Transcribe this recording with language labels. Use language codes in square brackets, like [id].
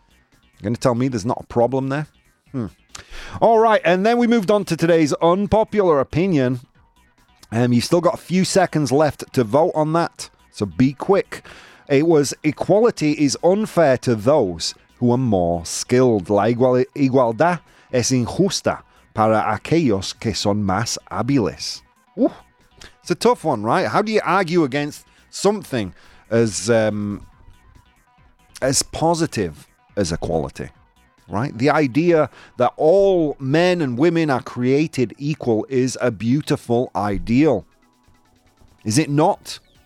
[en] You're going to tell me there's not a problem there? All right. And then we moved on to today's unpopular opinion. You've still got a few seconds left to vote on that, so be quick. It was, equality is unfair to those who are more skilled. [es] La igualdad es injusta para aquellos que son más hábiles. [en] Ooh, it's a tough one, right? How do you argue against something as positive as equality, right? The idea that all men and women are created equal is a beautiful ideal. Is it not?